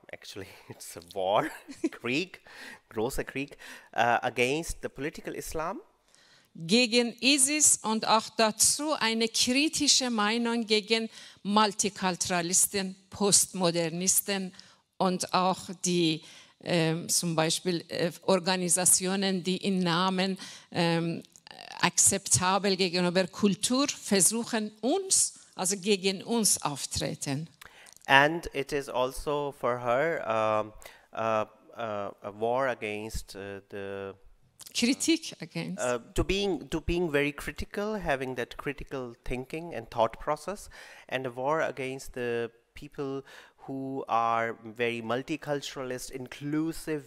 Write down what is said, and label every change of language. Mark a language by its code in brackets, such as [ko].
[en] Actually, it's a war, [de] Krieg, großer Krieg, [en] against the political Islam. [de] Gegen ISIS und auch dazu eine kritische Meinung gegen Multikulturalisten, Postmodernisten und auch die zum Beispiel Organisationen, die im Namen akzeptabel gegenüber Kultur versuchen, uns, also gegen uns auftreten. [en] And it is also for her a war against the critique against to being very critical, having that critical thinking and thought process, and a war against the people who are very multiculturalist, inclusive.